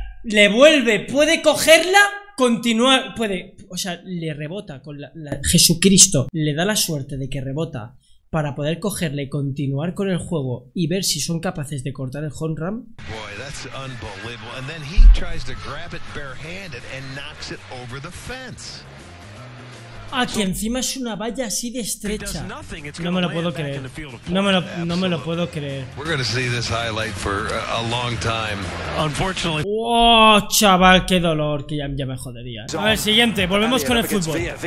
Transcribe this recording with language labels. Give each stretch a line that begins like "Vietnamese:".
Spanish: Le vuelve, puede cogerla. Continúa, puede. O sea, le rebota con la Jesucristo, le da la suerte de que rebota para poder cogerle y continuar con el juego y ver si son capaces de cortar el home run.
English: Boy, that's unbelievable. And then he tries to grab it barehanded and knocks it over the fence.
Spanish: Ah, que encima es una valla así de estrecha. No me lo puedo creer. No me lo puedo creer.
English: We're gonna see this highlight for a long time. Unfortunately.
Spanish: Wow, chaval, qué dolor, que ya me jodería. A ver, siguiente, volvemos con el fútbol.